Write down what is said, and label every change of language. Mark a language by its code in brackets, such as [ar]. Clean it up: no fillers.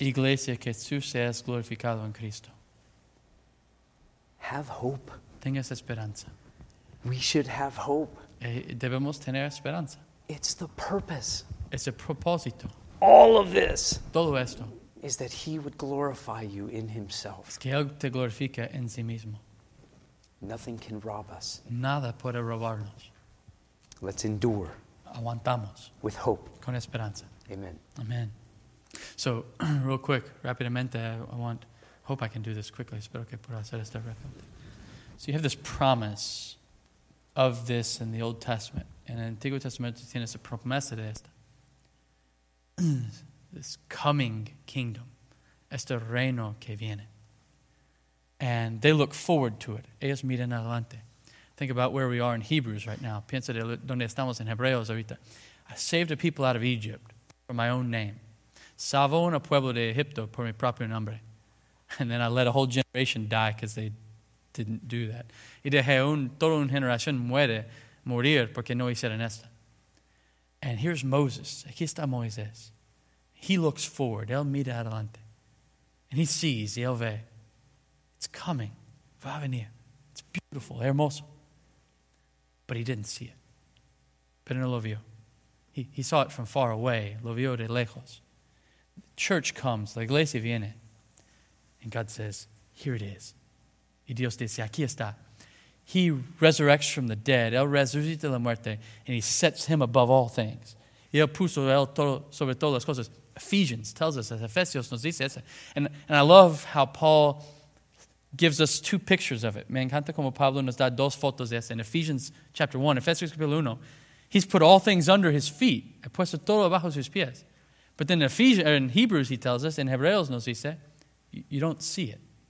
[es] Iglesia, que tú seas glorificado en Cristo. [en] Have hope. [es] Tengas esperanza. [en] We should have hope. [es] Debemos tener esperanza. [en] It's the purpose. [es] Es el propósito. [en] All of this. [es] Todo esto. [en] Is that he would glorify you in himself. [es] Es que él te glorifica en sí mismo. [en] Nothing can rob us. [es] Nada puede robarnos. [en] Let's endure. [es] Aguantamos. [en] With hope. [es] Con esperanza. [en] Amen. Amen. So, real quick, rápidamente, hope I can do this quickly. [es] Espero que pueda hacer esto rápido. [en] So you have this promise of this in the Old Testament. [es] En el Antiguo Testamento tienes la promesa de esta. [en] This coming kingdom, [es] este reino que viene. [en] And they look forward to it. [es] Ellos miran adelante. [en] Think about where we are in Hebrews right now. [es] Piensa de donde estamos en Hebreos ahorita. [en] I saved a people out of Egypt for my own name. [es] Salvo un pueblo de Egipto por mi propio nombre. [en] And then I let a whole generation die because they didn't do that. [es] Y dejé toda una generación muere morir porque no hicieron esta. [en] And here's Moses. [es] Aquí está Moisés. [en] He looks forward. [es] Él mira adelante. [en] And he sees. [es] Y él ve. [en] It's coming. [es] Va a venir. [en] It's beautiful. [es] Hermoso. [en] But he didn't see it. [es] Pero no lo vio. [en] He saw it from far away. [es] Lo vio de lejos. [en] The church comes. [es] La iglesia viene. [en] And God says, here it is. [es] Y Dios dice, aquí está. [en] He resurrects from the dead. [es] Él resucita la muerte. [en] And he sets him above all things. [es] Y él puso él todo, sobre todas las cosas. [en] Ephesians tells us, as [es] Ephesios nos dice eso. [en] And I love how Paul gives us two pictures of it. [es] Me encanta como Pablo nos da dos fotos de eso. [en] In Ephesians chapter 1, [es] Ephesios capítulo 1, [en] he's put all things under his feet. [es] Ha puesto todo bajo sus pies. [en] But then in Hebrews he tells us, [es] in Hebreos nos dice, [en] you don't see it.